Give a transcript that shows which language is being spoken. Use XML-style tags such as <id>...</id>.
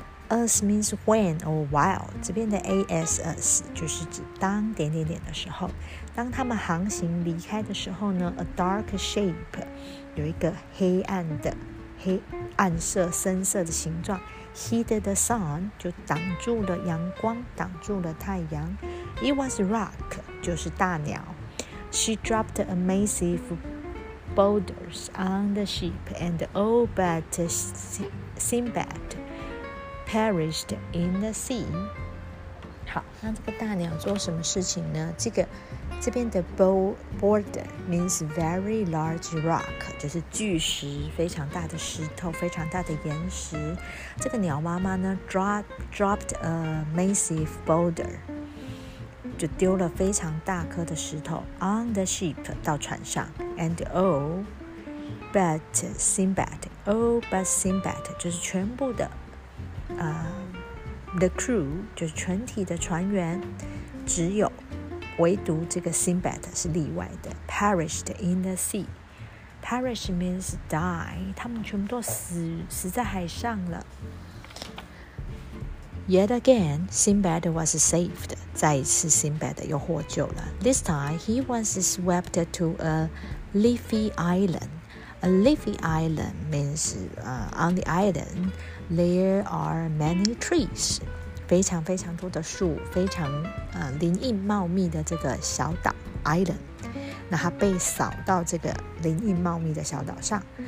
<en>As means when or while</en> <zh>这边的</zh> <en>AS as</en> <zh>就是指当点点点的时候当他们航行离开的时候呢</zh> <en>A dark shape</en> <zh>有一个黑暗色深色的形状</zh> <en>Hid the sun</en> <zh>就挡住了阳光挡住了太阳</zh> <en>It was rock,</en> <zh>就是大鸟</zh> <en>She dropped a massive boulders on the ship, and all but Sinbad perished in the sea.</en> <zh>好，那这个大鸟做什么事情呢？这边的</zh> <en>boulder means very large rock，</en> <zh>就是巨石，非常大的石头，非常大的岩石。这个鸟妈妈呢</zh> <en>dropped a massive boulder，</en> <zh>就丢了非常大颗的石头</zh> <en>on the ship</en> <zh>到船上。</zh> <en>And all but Sinbad</en> <zh>就是全部的</zh> <en>the crew</en> <zh>就是全体的船员，只有唯独这个 Sinbad 是例外的</zh> <en>perished in the sea. Perish means die.</en> <zh>他们全部都死在海上了。</zh> <en>Yet again, Sinbad was saved.</en> <zh>再一次</zh> <en>Sinbad</en> <zh>又获救了。</zh> <en>This time, he was swept to a leafy island. A leafy island means on the island, there are many trees.</en> <zh>非常非常多的树，非常林荫茂密的这个小岛 island， 那他被扫到这个林荫茂密的小岛上。</zh>